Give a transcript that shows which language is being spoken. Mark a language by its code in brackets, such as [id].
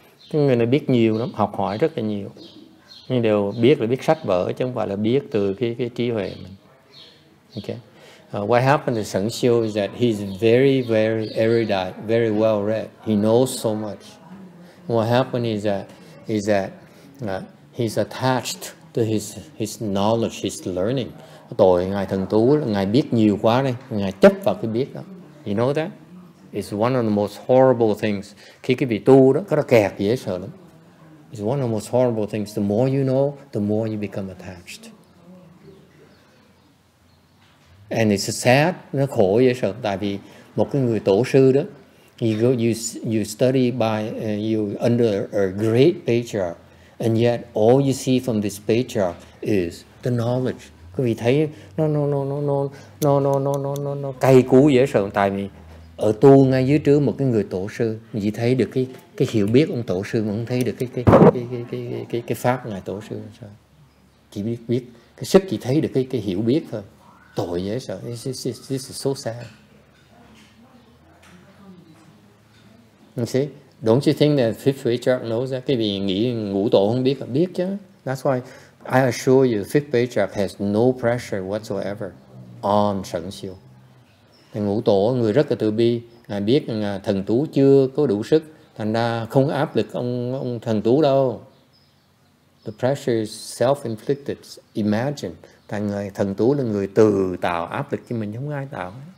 [vi] Cái người này biết nhiều lắm, học hỏi rất là nhiều. Nhưng đều biết là biết sách vở, chứ không phải là biết từ cái trí huệ mình. [en] Okay. What happened to Sẵn Siêu is that he's very, very erudite, very well read. He knows so much. What happened is that he's attached to his knowledge, his learning. [vi] Tội ngài thần tú, ngài biết nhiều quá đây, ngài chấp vào cái biết đó. [en] You know that? is one of the most horrible things. [vi] Khi cái vị tu đó, cái đó kẹt dễ sợ lắm. It's one of the most horrible things. The more you know, the more you become attached. [en] And it's sad, [vi] nó khổ dễ sợ. Tại vì một cái người tổ sư đó, [en] you study under a great patriarch, and yet all you see from this patriarch is the knowledge. [vi] Quý vị thấy nó cay cú dễ sợ. Tại vì ở tu ngay dưới trước một cái người tổ sư, chỉ thấy được cái hiểu biết ông tổ sư, mà không thấy được cái pháp ngài tổ sư. Chỉ biết cái sức, chỉ thấy được cái hiểu biết thôi. Tội dễ sợ. [en] This is so sad. You see? Don't you think that fifth patriarch knows that? [vi] Quý vị nghĩ ngũ tổ không biết? Biết chứ. [en] That's why I assure you, fifth patriarch has no pressure whatsoever on sẵn siêu. [vi] Ngũ tổ, người rất là từ bi, ngài biết thần tú chưa có đủ sức, thành ra không áp lực ông thần tú đâu. [en] The pressure is self-inflicted. Imagine, [vi] thần tú là người tự tạo áp lực cho mình, không ai tạo.